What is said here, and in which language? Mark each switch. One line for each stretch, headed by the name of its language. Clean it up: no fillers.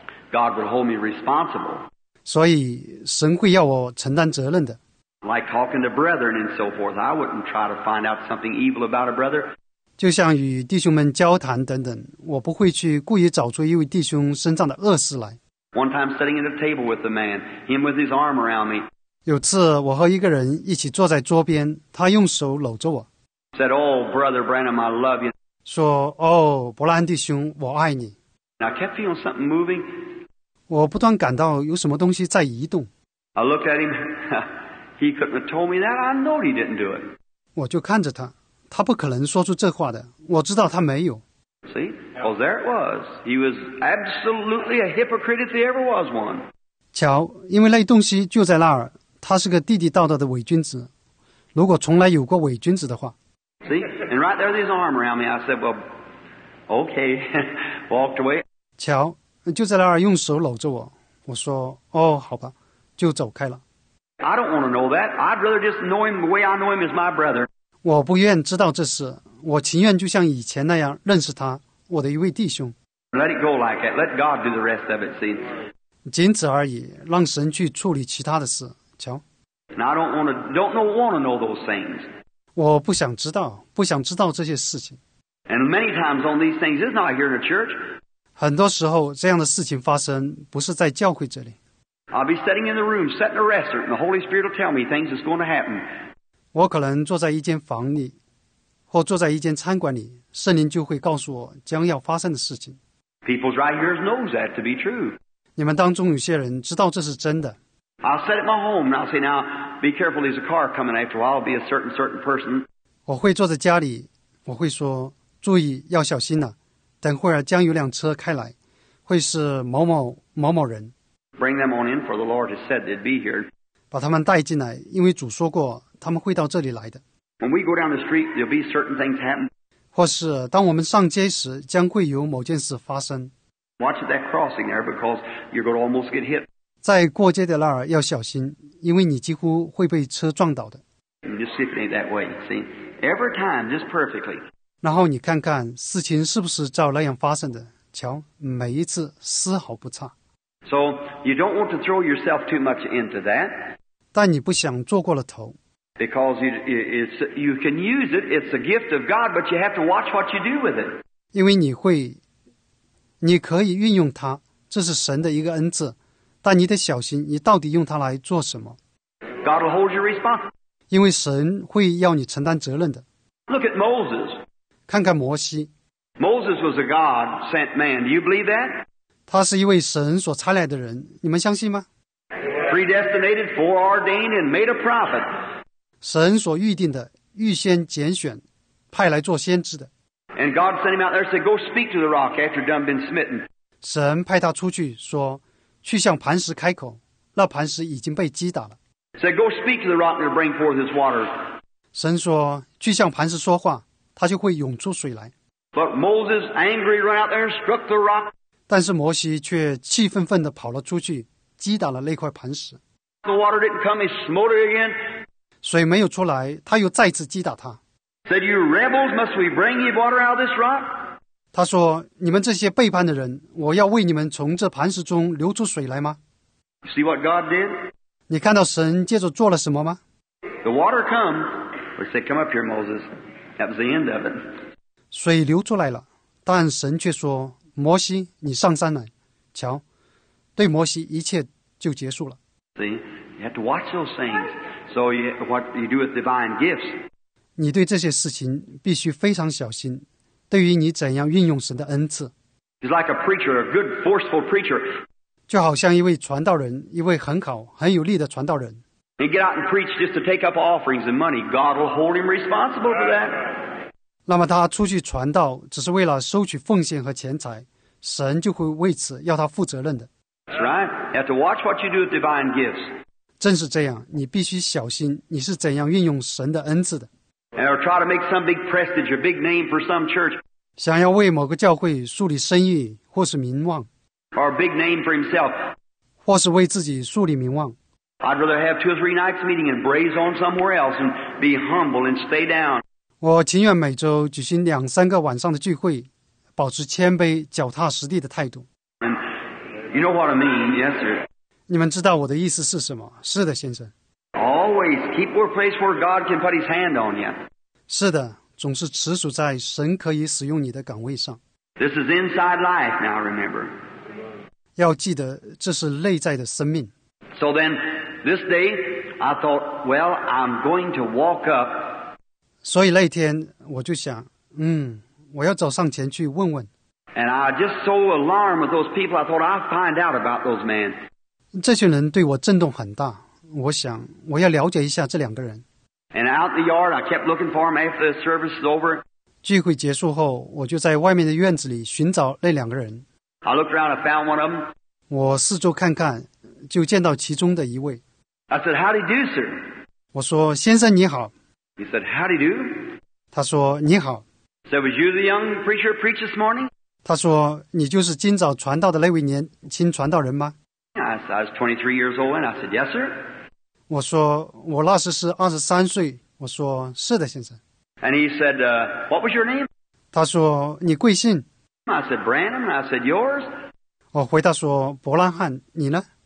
English: God would hold me responsible.
Chinese: 所以神会要我承担责任的。
English: Like talking to brethren and so forth, I wouldn't try to find out something evil about a brother.
Chinese: 就像与弟兄们交谈等等，我不会去故意找出一位弟兄身上的恶事来。
English: One time sitting at a table with a man, him with his arm around me.
Chinese: 有次我和一个人一起坐在桌边，他用手搂着我。
English: Said, "Oh, brother Branham, I love you."
Chinese: 说，哦，伯兰弟兄，我爱你。
English: And I kept feeling something moving.
Chinese: 我不断感到有什么东西在移动。
English: I looked at him. He couldn't have told me that. I know he didn't do it.
Chinese: 我就看着他，他不可能说出这话的。我知道他没有。
English: See, well, there it was. He was absolutely a hypocrite if he ever was one.
Chinese: 瞧，因为那东西就在那儿，他是个地地道道的伪君子。如果从来有过伪君子的话。
English: See, and right there, there's his arm around me. I said, well, okay, walked away.
Chinese: 瞧，就在那儿用手搂着我。我说，哦，好吧，就走开了。
English: I don't want to know that. I'd rather just know him the way I know him as my brother.
Chinese: 我不愿知道这事。我情愿就像以前那样认识他，我的一位弟兄。
English: Let it go like that. Let God do the rest of it. See.
Chinese: 仅此而已，让神去处理其他的事。瞧。
English: And I don't want to know those things.
Chinese: 我不想知道，不想知道这些事情。
English: And many times on these things, it's not here in the church.
Chinese: 很多时候这样的事情发生，不是在教会这里。
English: I'll be sitting in the room, setting a restaurant, and the Holy Spirit will tell me things is going to happen.
Chinese: 我可能坐在一间房里。或坐在一间餐馆里，圣灵就会告诉我将要发生的事情。
English: People's right ears knows that to be true.
Chinese: 你们当中有些人知道这是真的。
English: I'll sit at my home and I'll say, now, be careful, there's a car coming after a while, I'll be a certain person.
Chinese: 我会坐在家里，我会说，注意，要小心了，等会儿将有辆车开来，会是某某某某人。
English: Bring them on in, for the Lord has said they'd be here.
Chinese: 把他们带进来，因为主说过，他们会到这里来的。
English: When we go down the street, there'll be certain things happen.
Chinese: 或是当我们上街时，将会有某件事发生。
English: Watch at that crossing there, because you're going to almost get hit.
Chinese: 在过街的那儿要小心，因为你几乎会被车撞倒的。
English: And just see if it ain't that way. See, every time, just perfectly.
Chinese: 然后你看看事情是不是照那样发生的？瞧，每一次丝毫不差。
English: So you don't want to throw yourself too much into that.
Chinese: 但你不想做过了头。
English: Because you can use it, it's a gift of God, but you have to watch what you do with it.
Chinese: 因为你会，你可以运用它，这是神的一个恩赐，但你得小心，你到底用它来做什么。
English: God will hold you responsible.
Chinese: 因为神会要你承担责任的。
English: Look at Moses.
Chinese: 看看摩西。
English: Moses was a God-sent man. Do you believe that?
Chinese: 他是一位神所差来的人，你们相信吗？
English: Predestinated, foreordained, and made a prophet.
Chinese: 神所预定的，预先拣选，派来做先知的。
English: And God sent him out there and said, "Go speak to the rock after you've been smitten."
Chinese: 神派他出去说，去向磐石开口，那磐石已经被击打了。
English: Said, "Go speak to the rock and it'll bring forth its water."
Chinese: 神说，去向磐石说话，它就会涌出水来。
English: But Moses angry ran out there and struck the rock.
Chinese: 但是摩西却气愤愤地跑了出去，击打了那块磐石。
English: The water didn't come. He smote it again.
Chinese: 水没有出来，他又再次击打他。
English: Said, "You rebels, must we bring you water out of this rock?"
Chinese: 他说：“你们这些背叛的人，我要为你们从这磐石中流出水来吗？”
English: You see what God did?
Chinese: 你看到神接着做了什么吗
English: ？The water come. We said, "Come up here, Moses." That was the end of it.
Chinese: 水流出来了，但神却说：“摩西，你上山来。” 瞧，对摩西，一切就结束了。
English: See, you have to watch those things. So what you do with divine gifts?
Chinese: 你对这些事情必须非常小心。对于你怎样运用神的恩赐
English: ，He's like a preacher, a good, forceful preacher.
Chinese: 就好像一位传道人，一位很好、很有力的传道人。
English: He get out and preach just to take up offerings and money. God will hold him responsible for that.
Chinese: 那么他出去传道，只是为了收取奉献和钱财，神就会为此要他负责任的。
English: That's right. You have to watch what you do with divine gifts.
Chinese: 正是这样，你必须小心你是怎样运用神的恩赐的。
English: Or try to make some big prestige or big name for some church.
Chinese: 想要为某个教会树立声誉或是名望。
English: Or a big name for himself.
Chinese: 或是为自己树立名望。
English: I'd rather have two or three nights meeting and braze on somewhere else and be humble and stay down.
Chinese: 我情愿每周举行两三个晚上的聚会，保持谦卑、脚踏实地的态度。
English: And You know what I mean, yes, sir.
Chinese: 你们知道我的意思是什么？是的，先生。
English: Always keep your place where God can put His hand on you.
Chinese: 是的，总是持守在神可以使用你的岗位上。
English: This is inside life now, remember.
Chinese: 要记得，这是内在的生命。
English: So then, this day, I thought, well, I'm going to walk up.
Chinese: 所以那天我就想，我要走上前去问问。
English: And I just so alarmed with those people, I thought, I'll find out about those men.
Chinese: 这群人对我震动很大，我想我要了解一下这两个人。
English: And out in the yard, I kept looking for them after the service is over.
Chinese: 聚会结束后，我就在外面的院子里寻找那两个人。
English: I looked around, I found one of them.
Chinese: 我四周看看，就见到其中的一位。
English: I said, how do you do, sir?
Chinese: 我说，先生你好。
English: He said, how do you do?
Chinese: 他说，你好。
English: So was you the young preacher preach this morning?
Chinese: 他说，你就是今早传道的那位年轻传道人吗？
English: I was 23 years old and I said, yes, sir.
Chinese: 我说，我那时是23岁。我说，是的，先生。
English: And he said, what was your name?
Chinese: 他说，你贵姓？
English: I said, Branham. I said, yours?
Chinese: 我回答说，伯兰汉，你呢？